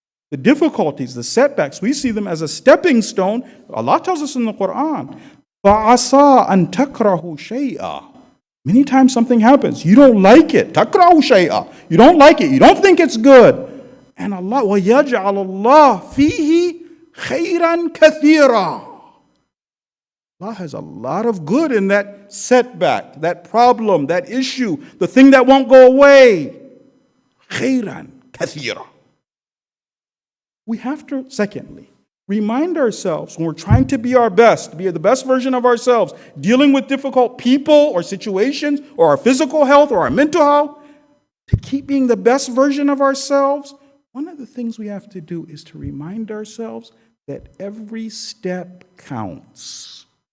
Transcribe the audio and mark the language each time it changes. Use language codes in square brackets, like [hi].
[en] The difficulties, the setbacks, we see them as a stepping stone. Allah tells us in the Quran, [ar] فَعَصَىٰ أَن تَكْرَهُ شَيْئًا. [en] Many times something happens. You don't like it. [ar] تَكْرَهُ شَيْئًا. [en] You don't like it. You don't think it's good. [ar] And Allah, وَيَجْعَلَ اللَّهُ فِيهِ خَيْرًا كَثِيرًا. [en] Allah has a lot of good in that setback, that problem, that issue, the thing that won't go away. [ar] Khairan kathira. [en] We have to, secondly, remind ourselves when we're trying to be our best, to be the best version of ourselves, dealing with difficult people or situations or our physical health or our mental health, to keep being the best version of ourselves, one of the things we have to do is to remind ourselves that every step counts.